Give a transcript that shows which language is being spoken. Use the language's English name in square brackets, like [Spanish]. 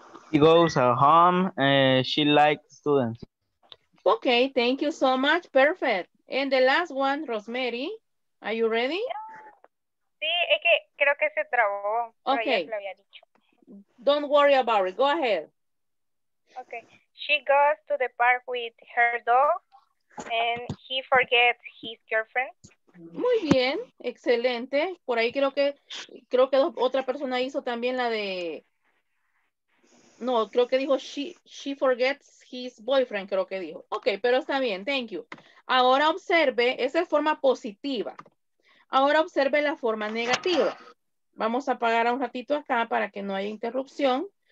[English] She goes home and she likes students. Okay, thank you so much. Perfect. And the last one, Rosemary. Are you ready? [Spanish] Sí, es que creo que se trabó. Okay. Lo había dicho. [English] Don't worry about it. Go ahead. Okay. She goes to the park with her dog and he forgets his girlfriend. [Spanish] Muy bien, excelente. Por ahí creo que otra persona hizo también la de... No, creo que dijo [English] she forgets his boyfriend, [Spanish] creo que dijo. Ok, pero está bien, [English] thank you. [Spanish] Ahora observe, esa es forma positiva. Ahora observe la forma negativa. Vamos a apagar un ratito acá para que no haya interrupción.